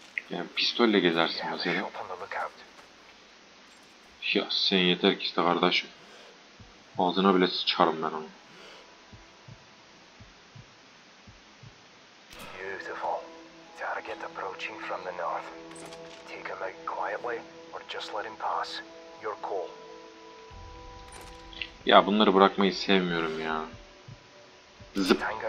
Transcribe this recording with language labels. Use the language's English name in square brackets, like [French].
[Turkish] Yani pistolle gezersin mesela. Ya sen yeter ki işte kardeş. Ağzına bile sıçarım ben onu. [English] Beautiful. Target approaching from the north. Take him out quietly or just let him pass. Your call. [Turkish] Ya bunları bırakmayı sevmiyorum ya. Zıp.